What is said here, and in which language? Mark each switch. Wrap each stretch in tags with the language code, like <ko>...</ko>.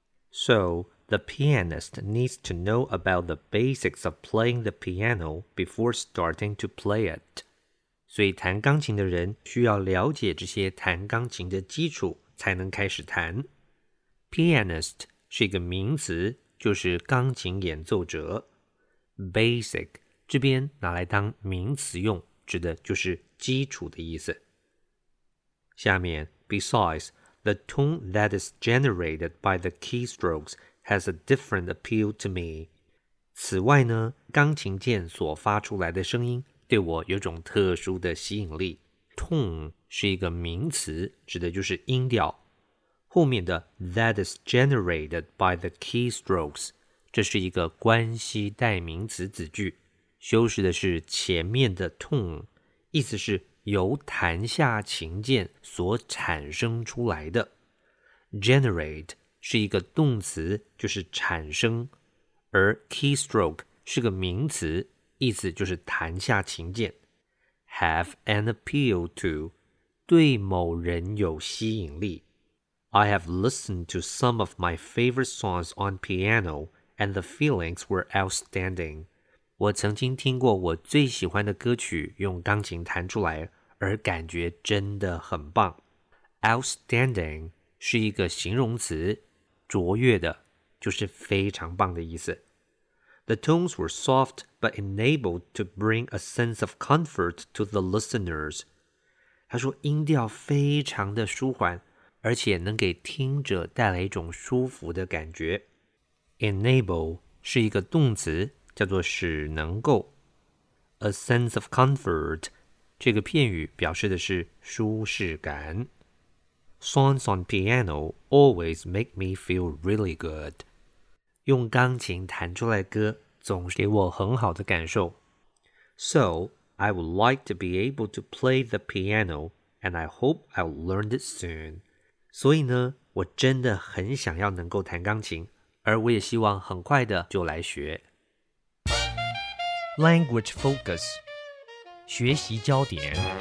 <en>So, the pianist needs to know about the basics of playing the piano before starting to play it.</en> <zh>所以弹钢琴的人需要了解这些弹钢琴的基础才能开始弹。 Pianist 是一个名词，就是钢琴演奏者。 Basic 这边拿来当名词用，指的就是基础的意思。下面</zh> <en>,besides, the tone that is generated by the keystrokes has a different appeal to me.</en> <zh>此外呢，钢琴键所发出来的声音对我有种特殊的吸引力。 Tone 是一个名词，指的就是音调。后面的</zh> <en>that is generated by the keystrokes,</en> <zh>这是一个关系代名词子句，修饰的是前面的 tone, 意思是由弹下琴键所产生出来的。 Generate 是一个动词，就是产生，而 keystroke 是个名词，意思就是弹下琴键。</zh> <en>Have an appeal to,</en> <zh>对某人有吸引力。</zh> <en>I have listened to some of my favorite songs on piano, and the feelings were outstanding.</en> <zh>我曾经听过我最喜欢的歌曲用钢琴弹出来，而感觉真的很棒。 Outstanding 是一个形容词，卓越的，就是非常棒的意思。</zh> <en>The tones were soft, but enabled to bring a sense of comfort to the listeners.</en> <zh>他说音调非常的舒缓，而且能给听者带来一种舒服的感觉。 Enable 是一个动词，叫做使能够。 A sense of comfort 这个片语表示的是舒适感。</zh> <en>Songs on piano always make me feel really good.</en> <zh>用钢琴弹出来歌总是给我很好的感受。</zh> <en>So, I would like to be able to play the piano, and I hope I'll learn it soon.</en> <zh>所以呢，我真的很想要能够弹钢琴，而我也希望很快的就来学。</zh> <en>Language focus，</en> <zh>学习焦点。</zh>